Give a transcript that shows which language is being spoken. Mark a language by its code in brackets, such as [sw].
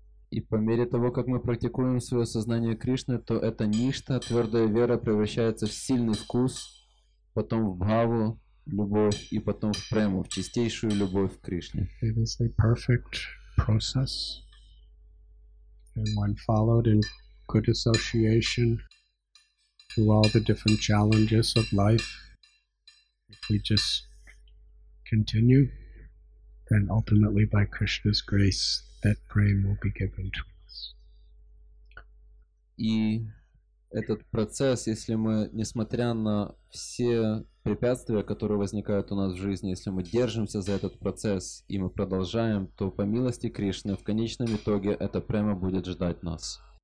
[ru] И по мере того, как мы практикуем свое сознание Кришны, то эта ништа, твердая вера, превращается в сильный вкус, потом в бхаву, любовь, и потом в прему, в чистейшую любовь к Кришне. [en] It is a perfect process, and when followed in good association through all the different challenges of life, if we just continue, then ultimately by Krishna's grace, that prema will be given to us. [ru] И этот процесс, если мы, несмотря на все препятствия, которые возникают у нас в жизни, если мы держимся за этот процесс и мы продолжаем, то по милости Кришны в конечном итоге эта према будет ждать нас.